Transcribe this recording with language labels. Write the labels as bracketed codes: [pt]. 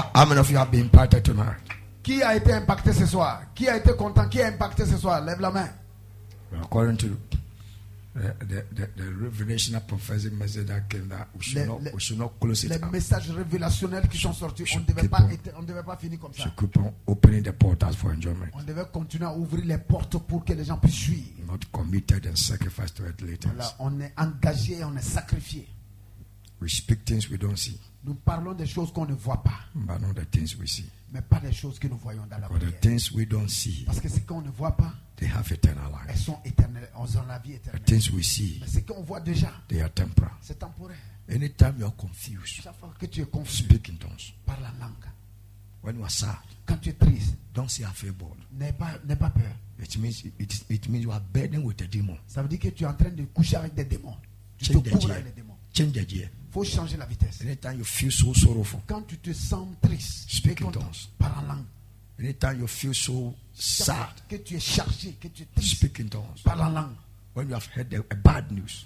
[en] How many of you have been impacted tonight? [fr] Qui a été impacté ce soir? Qui a été content? Qui a impacté ce soir? Lève la main. [en] According to the revelation of prophetic message that came, that we should not close it. [fr] Les messages révélationnels qui sont sortis, on ne devait pas finir comme ça. [en] Keep on opening the portals for enjoyment. [fr] On devait continuer à ouvrir les portes pour que les gens puissent jouir. [en] Not committed and sacrificed to it later. [fr] Voilà, on est engagé et on est sacrifié. [en] We speak things we don't see. [fr] Nous parlons des choses qu'on ne voit pas. [en] But not the things we see. [fr] Mais pas des choses que nous voyons dans la prière. [en] The things we don't see. [fr] Parce que ce qu'on ne voit pas, [en] they have eternal life. [fr] Elles sont éternelles, elles ont la vie éternelle. [en] The things we see. [fr] Mais ce qu'on voit déjà, [en] they are temporary. [fr] C'est temporaire. [en] Anytime you are confused, [fr] chaque fois que tu es confus, [en] speak in tongues. [fr] Parle en langue. [en] When you are sad, [fr] quand tu es triste, [en] don't say afraid. [fr] N'aie pas peur. [en] It means you are burdened with a demon. [fr] Ça veut dire que tu es en train de coucher avec des démons. [en] Change the gear. [fr] Faut changer la vitesse. [en] Anytime you feel so sorrowful, [fr] quand tu te sens triste, [en] speak in tongues. [fr] Parle en langue. [en] Anytime you feel so sad, [fr] que tu es chargé, que tu es triste, [en] speak in tongues. [fr] Parle en langue. [en] When you have heard a bad news,